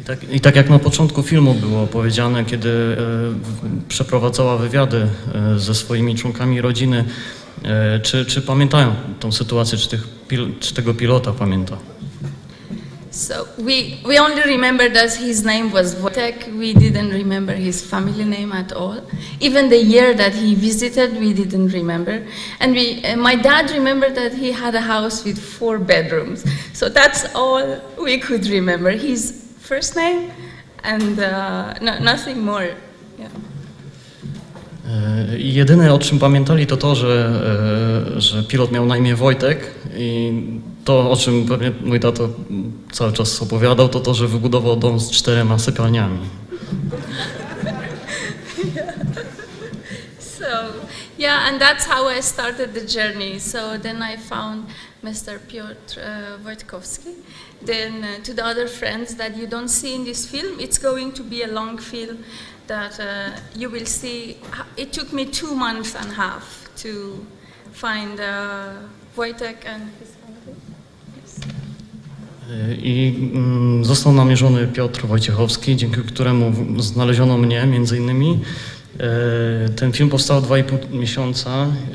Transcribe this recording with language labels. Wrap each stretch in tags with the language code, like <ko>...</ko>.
<pl>I tak jak na początku filmu było powiedziane, kiedy przeprowadzała wywiady ze swoimi członkami rodziny, czy pamiętają tą sytuację, czy tego pilota pamięta?</pl> <en>So we only remembered that his name was Wojtek. We didn't remember his family name at all. Even the year that he visited, we didn't remember. And my dad remembered that he had a house with 4 bedrooms. So that's all we could remember. His first name and nothing more. Yeah.</en> <pl>Jedyne, o czym pamiętali, to to, że pilot miał na imię Wojtek i to, o czym pewnie mój tato cały czas opowiadał, to to, że wybudował dom z 4 sypialniami.</pl> <en>So, yeah, and that's how I started the journey. So then I found Mr. Piotr Wojtkowski. Then to the other friends that you don't see in this film, it's going to be a long film. That you will see, it took me 2 months and a half to find Wojtek and his family.</en> <pl>I został namierzony Piotr Wojciechowski, dzięki któremu znaleziono mnie, między innymi. Ten film powstał 2,5 miesiąca.</pl>